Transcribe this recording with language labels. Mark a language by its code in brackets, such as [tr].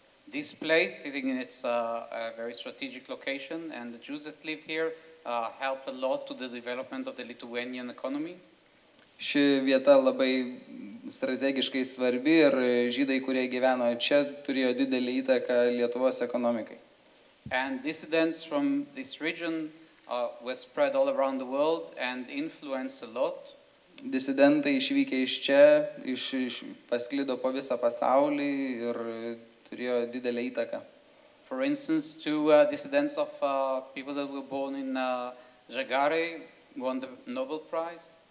[en] This place, sitting in its a very strategic location, and the Jews that lived here helped a lot to the development of the Lithuanian economy. [lt] Ši vieta labai strategiškai svarbi ir žydai, kurie gyveno čia, turėjo didelį įtaką Lietuvos ekonomikai. [en] And dissidents from this region were spread all around the world and influenced a lot. [lt] Disidentai išvykę iš čia, pasklido po visą pasaulį ir turėjo didelę įtaką. [en] for instance, to descendants of people that were born in Žagarė, won the Nobel Prize?